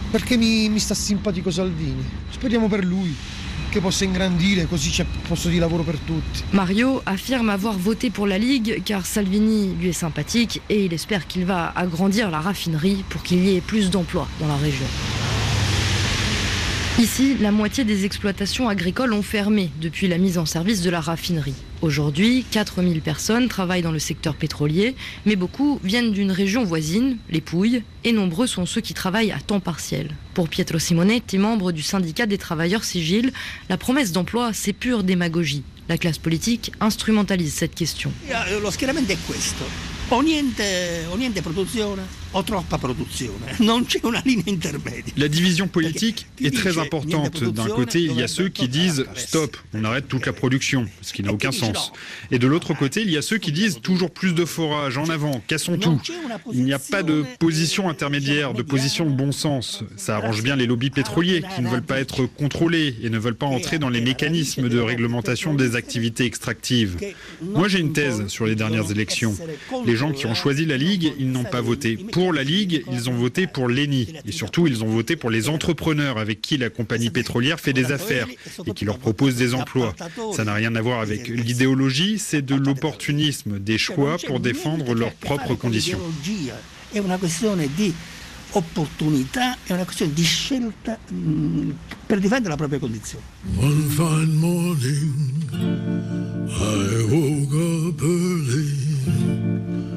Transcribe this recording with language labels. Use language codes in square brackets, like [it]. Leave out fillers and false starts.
[it] Perché mi sta simpatico Salvini. Speriamo per lui che possa ingrandire, così c'è posto di lavoro per tutti. [fr] Mario affirme avoir voté pour la Ligue car Salvini lui est sympathique et il espère qu'il va agrandir la raffinerie pour qu'il y ait plus d'emplois dans la région. Ici, la moitié des exploitations agricoles ont fermé depuis la mise en service de la raffinerie. Aujourd'hui, 4000 personnes travaillent dans le secteur pétrolier, mais beaucoup viennent d'une région voisine, les Pouilles, et nombreux sont ceux qui travaillent à temps partiel. Pour Pietro Simonetti, membre du syndicat des travailleurs sigils, la promesse d'emploi, c'est pure démagogie. La classe politique instrumentalise cette question. [it] Lo schieramento è questo. O niente produzione, o troppa produzione. Non c'è una linea intermedia. [fr] La division politique est très importante. D'un côté, il y a ceux qui disent stop, on arrête toute la production, ce qui n'a aucun sens. Et de l'autre côté, il y a ceux qui disent toujours plus de forage, en avant, cassons tout. Il n'y a pas de position intermédiaire, de position de bon sens. Ça arrange bien les lobbies pétroliers qui ne veulent pas être contrôlés et ne veulent pas entrer dans les mécanismes de réglementation des activités extractives. Moi, j'ai une thèse sur les dernières élections. Les gens qui ont choisi la Ligue, ils n'ont pas voté. Pour la Ligue, ils ont voté pour l'ENI. Et surtout, ils ont voté pour les entrepreneurs avec qui la compagnie pétrolière fait des affaires et qui leur propose des emplois. Ça n'a rien à voir avec l'idéologie, c'est de l'opportunisme, des choix pour défendre leurs propres conditions. C'est une question d'opportunité, c'est une question de choix pour défendre leurs propres conditions. [en] One fine morning, I woke up early.